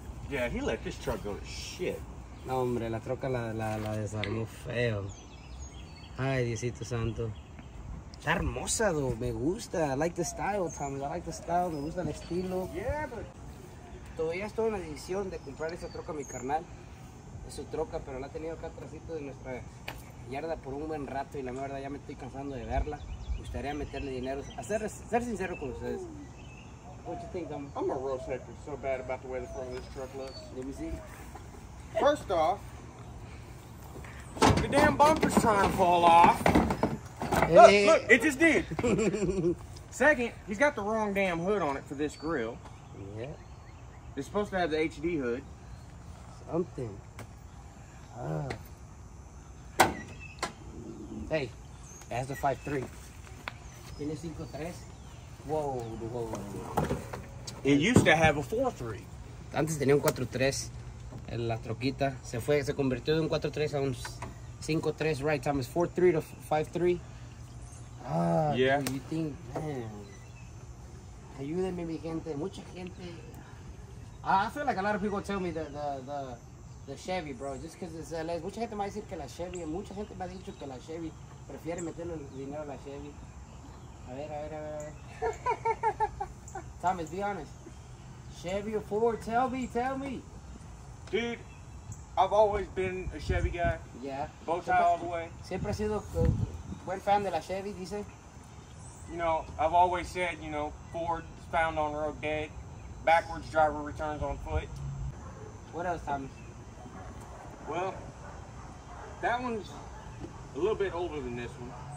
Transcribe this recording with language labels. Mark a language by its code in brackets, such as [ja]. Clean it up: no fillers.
[en] Yeah, he let this truck go to shit. [es] No, hombre, la troca la desarmó feo. Ay, Diosito Santo. Está hermosa, do. Me gusta. [en] I like the style, Tommy. I like the style. [es] Me gusta el estilo. [en] Yeah, but... [es] Todavía estoy en la decisión de comprar esa troca, mi carnal. Es su troca, pero la ha tenido acá atrásito de nuestra yarda por un buen rato. Y la verdad, ya me estoy cansando de verla. Me gustaría meterle dinero. Ser sincero con ustedes. [en] What you think, I'm a real sick. It's so bad about the way the front of this truck looks. Let me see. First off, the damn bumper's trying to fall off. Hey. Look, it just did. Second, he's got the wrong damn hood on it for this grill. Yeah. It's supposed to have the HD hood. Something. Hey, it has the 5.3. [es] Tiene 5.3? [en] Whoa. It used to have a 4.3. [es] Antes tenía un 4.3. La troquita se convirtió de un 4.3 a un 5.3, [en] right, Thomas? [es] 4.3 to 5.3. Yeah. [en] Dude, you think, man, [es] ayúdenme, mi gente. Mucha gente. [en] I feel like a lot of people tell me the Chevy, bro, just because it's LS. [es] Mucha gente me va a decir que la Chevy, mucha gente me ha dicho que la Chevy prefiere meterle el dinero a la Chevy. A ver. [en] Thomas, be honest. Chevy or Ford? Tell me. Dude, I've always been a Chevy guy. Yeah. Bowtie all the way. [es] Siempre ha sido buen fan de la Chevy, dice. [en] You know, I've always said, you know, forward is found on road dead, backwards driver returns on foot. What else, Thomas? Well, that one's a little bit older than this one.